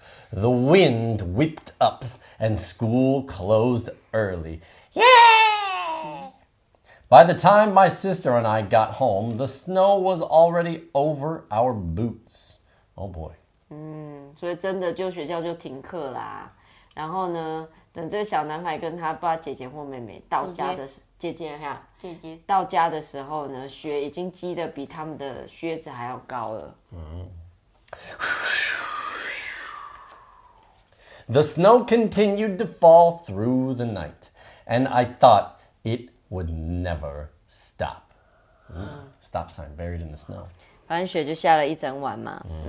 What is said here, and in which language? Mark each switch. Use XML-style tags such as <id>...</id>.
<en>The wind whipped up and school closed early. Yay! By the time my sister and I got home, the snow was already over our boots. Oh boy.</en> <zh>所以真的就学校就停课啦。然后呢等这个小男孩跟他爸姐姐或妹妹到家的时候姐姐到家的时候呢雪已经积得比他们的靴子还要高了。</zh> <en>The snow continued to fall through the night, and I thought it would never stop. Stop sign buried in the snow.</en> <zh>反正雪就下了一整晚嘛。</zh>